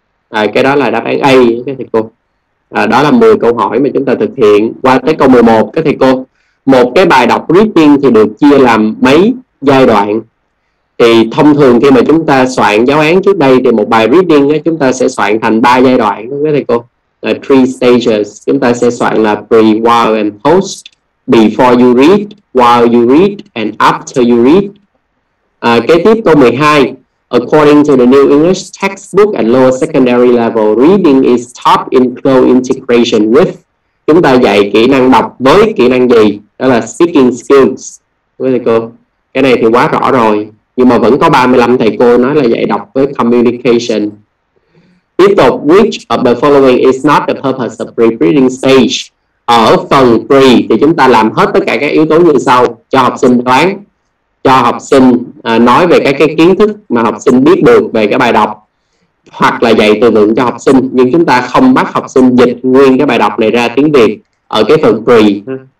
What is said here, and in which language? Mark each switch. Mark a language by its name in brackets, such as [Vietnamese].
[Vietnamese] À, cái đó là đáp án A các thầy cô. À, đó là 10 câu hỏi mà chúng ta thực hiện. Qua tới câu 11 các thầy cô. Một cái bài đọc reading thì được chia làm mấy giai đoạn? Thì thông thường khi mà chúng ta soạn giáo án trước đây thì một bài reading ấy, chúng ta sẽ soạn thành 3 giai đoạn các thầy cô. Là [English] three stages, [Vietnamese] chúng ta sẽ soạn là [English] pre, while and post, before you read, while you read and after you read. [Vietnamese] À, kế tiếp câu 12. [English] According to the new English textbook at lower secondary level, reading is taught in close integration with. [Vietnamese] Chúng ta dạy kỹ năng đọc với kỹ năng gì? Đó là speaking skills. Với thầy cô, cái này thì quá rõ rồi. Nhưng mà vẫn có 35 thầy cô nói là dạy đọc với communication. Tiếp tục, [English] which of the following is not the purpose of pre-reading stage? [Vietnamese] Ở phần pre thì chúng ta làm hết tất cả các yếu tố như sau. Cho học sinh đoán, cho học sinh nói về các cái kiến thức mà học sinh biết được về cái bài đọc, hoặc là dạy từ vựng cho học sinh, nhưng chúng ta không bắt học sinh dịch nguyên cái bài đọc này ra tiếng Việt ở cái phần pre.